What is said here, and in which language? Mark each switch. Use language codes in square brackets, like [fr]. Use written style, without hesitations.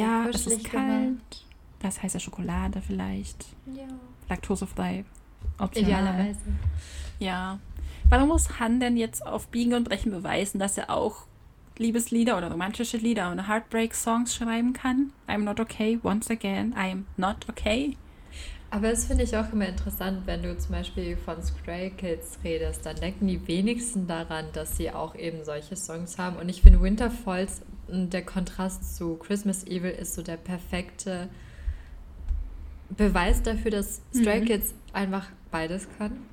[de] Ja, es ist kuschelig gemacht. kalt. Das heißt ja Schokolade vielleicht. Ja. Laktosefrei, optional. Idealerweise. Ja. Warum muss Han denn jetzt auf Biegen und Brechen beweisen, dass er auch Liebeslieder oder romantische Lieder und Heartbreak-Songs schreiben kann? [en] I'm not okay, once again, I'm not okay. [de] Aber es finde ich auch immer interessant, wenn du zum Beispiel von Stray Kids redest, dann denken die wenigsten daran, dass sie auch eben solche Songs haben. Und ich finde Winter Falls, der Kontrast zu Christmas Evil, ist so der perfekte Beweis dafür, dass Stray Kids einfach beides kann.